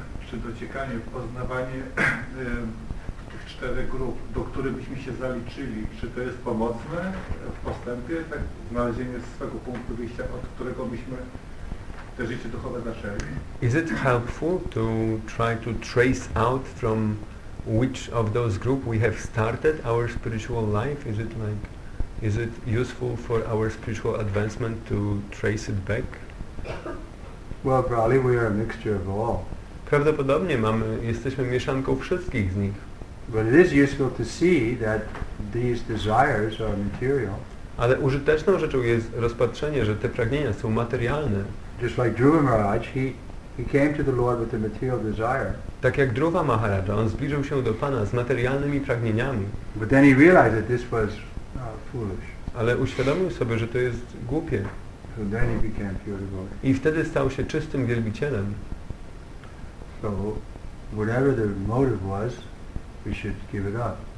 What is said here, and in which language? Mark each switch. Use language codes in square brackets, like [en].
[pl] Czy dociekanie, poznawanie cztery grup, do których byśmy się zaliczyli, czy to jest pomocne w postępie, tak, znalezienie swego punktu wyjścia, od którego byśmy te życie duchowe zaczęli? [en] Is it helpful to try to trace out from which of those group we have started our spiritual life? Is it like Is it useful for our spiritual advancement to trace it back? Well, probably we are a mixture of all. [pl] Prawdopodobnie jesteśmy mieszanką wszystkich z nich. [en] But it is useful to see that these desires are material. [pl] Ale użyteczną rzeczą jest rozpatrzenie, że te pragnienia są materialne. [en] Just like Dhruva Maharaj, he came to the Lord with a material desire. [pl] Tak jak Dhruva Maharaj, on zbliżył się do Pana z materialnymi pragnieniami. [en] But then he realized that this was foolish. [pl] Ale uświadomił sobie, że to jest głupie. [en] So then he became pure devotee. [pl] I wtedy stał się czystym wielbicielem. [en] So, whatever the motive was, we should give it up.